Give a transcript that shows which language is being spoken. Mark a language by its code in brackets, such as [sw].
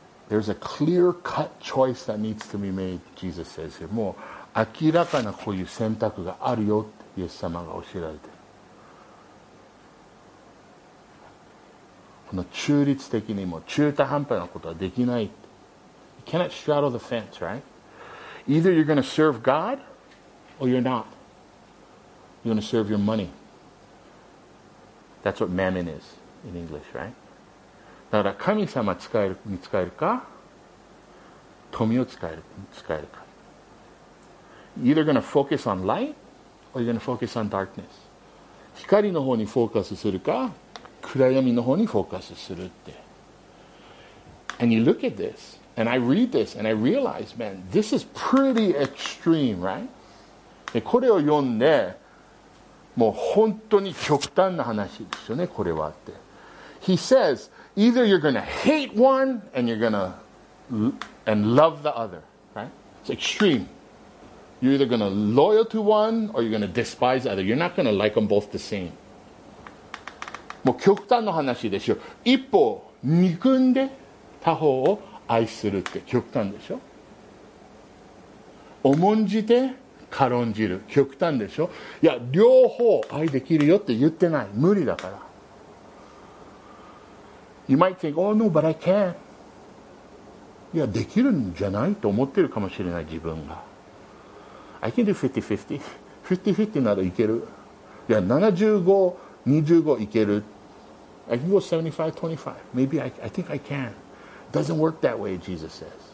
[en] There's a clear cut choice that needs to be made, Jesus says here. [ja] もう明らかなこういう選択があるよってイエス様が教えられて、この中立的にも中途半端なことはできない。 [en] You cannot straddle the fence, right? Either you're going to serve God or you're not. You're going to serve your money. That's what mammon is in English, right? [ja] だから神様使えるに使えるか、富を使えるに使えるか。 [en] Either gonna focus on light or you're gonna focus on darkness. [ja] 光の方にフォーカスするか、暗闇の方にフォーカスするって。 [en] And you look at this, and I read this, and I realize, man, this is pretty extreme, right? [ja] でこれを読んで、もう本当に極端な話ですよね、これはって。 [en] He says,Either you're going to hate one and you're going to and love the other, right? It's extreme. You're either going to loyal to one or you're going to despise the other. You're not going to like them both the same. [ja] もう極端の話でしょ。一方憎んで他方を愛するって極端でしょ。重んじて軽んじる極端でしょ。いや両方愛できるよって言ってない、無理だから。 [en] You might think, oh no, but I can. [ja] いや、できるんじゃないと思ってるかもしれない、自分が。 [en] I can do 50-50. [ja] 50-50 ならいける。いや、75-25 いける。 [en] I can go 75-25. Maybe I think I can. Doesn't work that way, Jesus says.